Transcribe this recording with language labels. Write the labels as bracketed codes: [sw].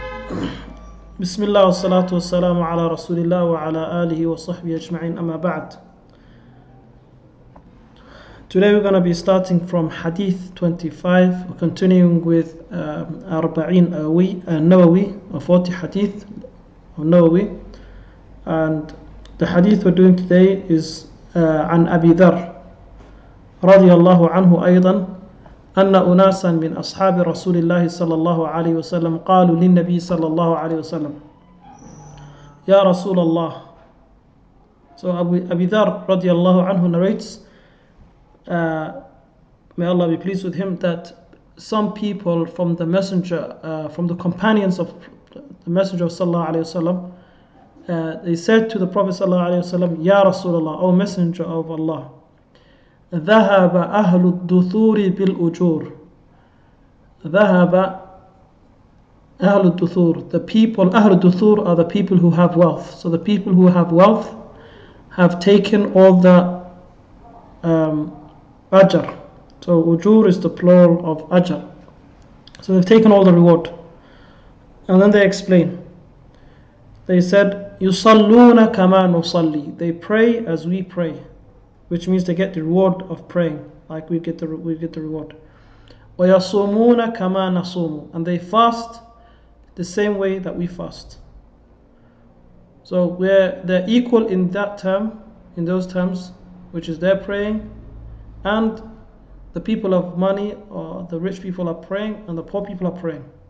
[ar] بسم الله والصلاة والسلام على رسول الله وعلى آله وصحبه أجمعين أما بعد. [en] Today we're going to be starting from Hadith 25, we're continuing with 40 Hadith of Nawawi. And the Hadith we're doing today is [ar] عن أبي ذر رضي الله عنه أيضا أن أناسا من أصحاب رسول الله صلى الله عليه وسلم قالوا للنبي صلى الله عليه وسلم يا رسول الله. [en] So [ar] أبي ذر رضي الله عنه [en] narrates, may Allah be pleased with him, that some people from the messenger, from the companions of the messenger of sallallahu alayhi wasallam, they said to the Prophet sallallahu alayhi wasallam, ya Rasulullah, O messenger of Allah, [ar] ذَهَبَ أَهْلُ الدُّثُورِ بِالْأُجُورِ. ذَهَبَ أَهْلُ الدُّثُورِ, [en] the people, [ar] أَهْلُ الدُّثُورِ [en] are the people who have wealth. So the people who have wealth have taken all the ajr. So ujur is the plural of ajr. So they've taken all the reward. And then they explain. They said, [ar] يُصَلُّونَ كَمَا نُصَلِّي. [en] They pray as we pray, which means they get the reward of praying, like we get the reward. [ar] وَيَصُومُونَ كَمَا نَصُومُ. [en] And they fast the same way that we fast. So they're equal in that term, in those terms, which is they're praying, and the people of money, or the rich people are praying, and the poor people are praying.